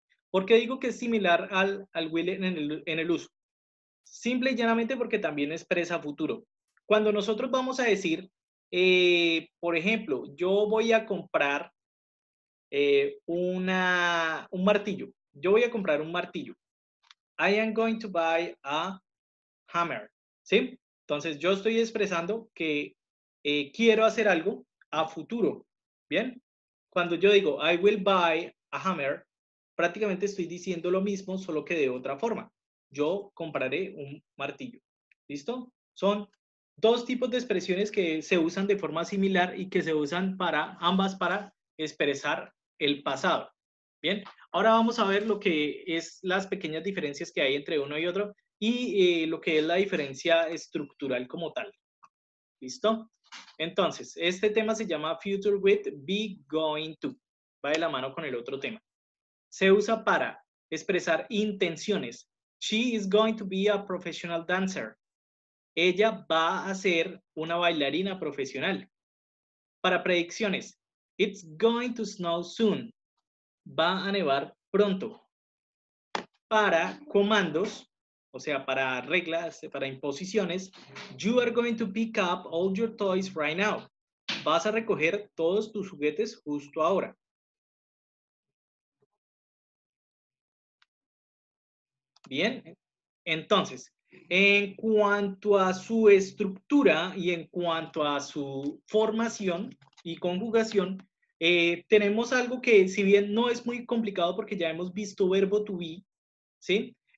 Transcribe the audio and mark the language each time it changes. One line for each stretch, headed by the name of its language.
Spanish: ¿Por qué digo que es similar al will en el uso? Simple y llanamente porque también expresa futuro. Cuando nosotros vamos a decir, por ejemplo, yo voy a comprar un martillo. Yo voy a comprar un martillo.
English: I am going to buy a hammer.
Spanish: ¿Sí? Entonces, yo estoy expresando que quiero hacer algo a futuro. ¿Bien? Cuando yo digo,
English: I will buy a hammer,
Spanish: prácticamente estoy diciendo lo mismo, solo que de otra forma. Yo compraré un martillo. ¿Listo? Son dos tipos de expresiones que se usan de forma similar y que se usan para ambas para expresar el pasado. ¿Bien? Ahora vamos a ver lo que es las pequeñas diferencias que hay entre uno y otro y lo que es la diferencia estructural como tal. ¿Listo? Entonces, este tema se llama Future with Be Going To. Va de la mano con el otro tema. Se usa para expresar intenciones.
English: She is going to be a professional dancer.
Spanish: Ella va a ser una bailarina profesional. Para predicciones.
English: It's going to snow soon.
Spanish: Va a nevar pronto. Para comandos, o sea, para reglas, para imposiciones.
English: You are going to pick up all your toys right now.
Spanish: Vas a recoger todos tus juguetes justo ahora. Bien, entonces, En cuanto a su estructura y en cuanto a su formación y conjugación, tenemos algo que, si bien no es muy complicado porque ya hemos visto verbo to be, ¿sí?